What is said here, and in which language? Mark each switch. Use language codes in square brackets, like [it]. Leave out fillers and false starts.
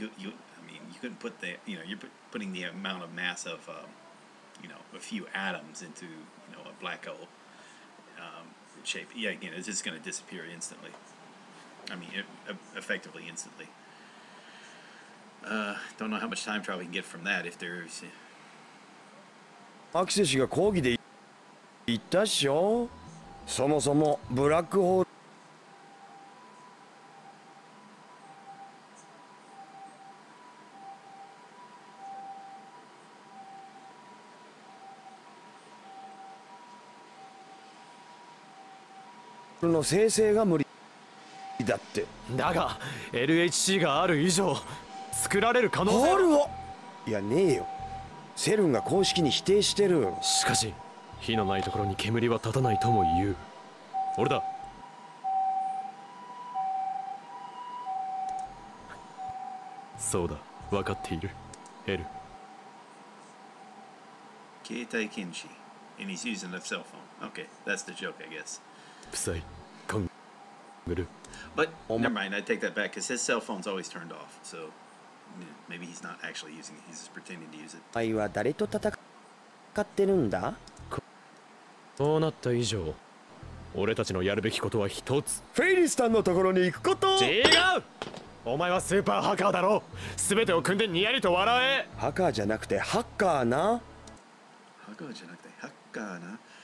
[en] You couldn't put the, you know, you're putting the amount of mass of, you know, a few atoms into, you know, a black hole shape. Yeah, again, it's just going to disappear instantly. I mean, effectively instantly. Don't know how much time travel you can get from that if there's. [ja] Akishi が講義で言ったっしょ。そもそもブラックホール。の生成が無理だって。だが LHC がある以上作られる可能性ホールを、いやねえよ、セルンが公式に否定してる。しかし火のないところに煙は立たないとも言う。俺だ。そうだ、分かっている。エル、携帯禁止。 [en] And he's using the cell phone. Okay, that's the joke, I guess. [ja] プサイ。 [en] But never mind, I take that back, because his cell phone's always turned off, so maybe he's not actually using it, he's just pretending to use it. [ja] Why は誰と戦ってるんだ？こうなった以上、俺たちのやるべきことは一つ。フェイリスタンのところに行くこと。違う！お前はスーパーハッカーだろ。全てを組んでニヤリと笑え。ハッカーじゃなくてハッカーな。ハッカーじゃなくてハッカーな。